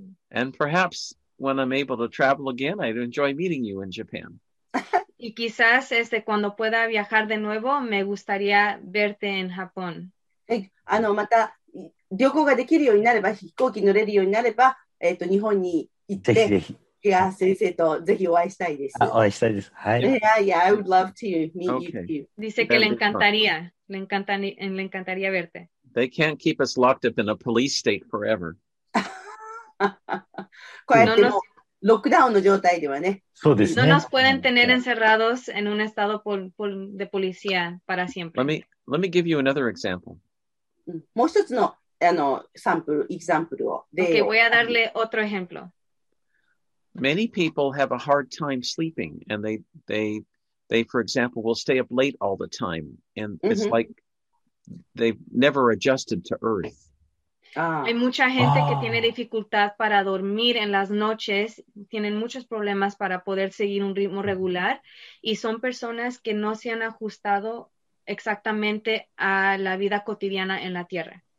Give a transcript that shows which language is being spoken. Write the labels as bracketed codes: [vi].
[en] And perhaps when I'm able to travel again, I'd enjoy meeting you in Japan. [es] Y quizás cuando pueda viajar de nuevo, me gustaría verte en Japón. [ja] また旅行ができるようになれば、飛行機乗れるようになれば、日本に行って、ぜひぜひ Yeah, 先生とぜひお会いしたいです。あ、お会いしたいです。はい。 [en] Yeah, yeah, I would love to meet you. [es] Dice que le encantaría. Le encantaría verte. [en] They can't keep us locked up in a police state forever. [ja] こうやってのロックダウンの状態ではね。そうですね。 [es] No nos pueden tener encerrados en un estado de policía para siempre. [en] Let me give you another example. [ja] もう一つの、サンプル、example を。 [es] Okay, voy a darle otro ejemplo. [en] Many people have a hard time sleeping, and they, for example, will stay up late all the time, and it's like they've never adjusted to Earth. [es] Hay mucha gente que tiene dificultad para dormir en las noches, tienen muchos problemas para poder seguir un ritmo regular, y son personas que no se han ajustado exactamente a la vida cotidiana en la Tierra.